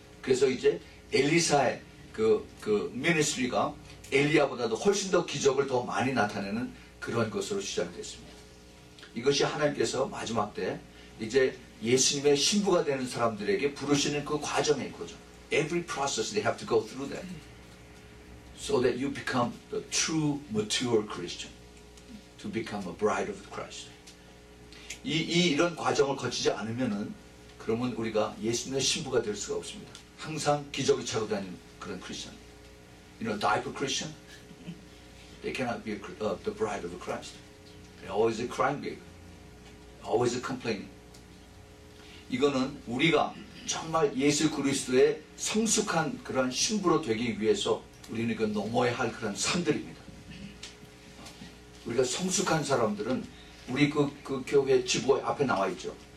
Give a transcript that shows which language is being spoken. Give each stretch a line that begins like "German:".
Korean: 그래서 이제 엘리사의 그 미니스트리가 엘리야보다도 훨씬 더 기적을 더 많이 나타내는 그런 것으로 시작됐습니다. 이것이 하나님께서 마지막 때 이제 예수님의 신부가 되는 사람들에게 부르시는 그 과정의 거죠.
English: Every process they have to go through that so that you become the true mature Christian. To become a bride of Christ.
Korean: 이런 과정을 거치지 않으면은 그러면 우리가 예수님의 신부가 될 수가 없습니다. 항상 기적이 차고 다니는 그런 Christian.
English: You know, diaper Christian? They cannot be the bride of Christ. They're always a crying baby. Always a complaining.
Korean: 이거는 우리가 정말 예수 그리스도의 성숙한 그런 신부로 되기 위해서 우리는 그 넘어야 할 그런 산들입니다. 우리가 성숙한 사람들은 우리 그 교회 지부 앞에 나와 있죠.